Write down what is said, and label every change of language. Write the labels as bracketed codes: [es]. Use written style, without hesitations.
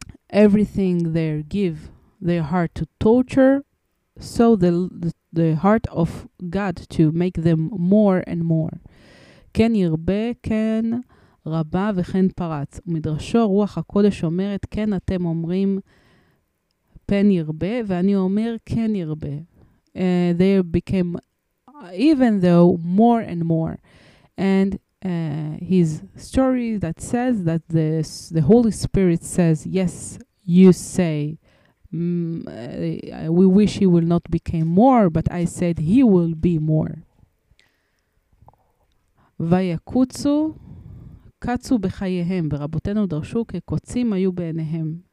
[en] Everything they give their heart to torture, so the heart of God to make them more and more. [he] כן ירבה, כן רבה וכן פרץ. ומדרשו רוח הקודש אומרת, כן אתם אומרים פן ירבה, ואני אומר כן ירבה. [en] They became even though more and more. And his story that says that the Holy Spirit says, yes, you say, we wish he will not become more, but I said he will be more. [he] ויקוצו, קצו בחייהם, ורבותינו דרשו כקוצים היו בעיניהם.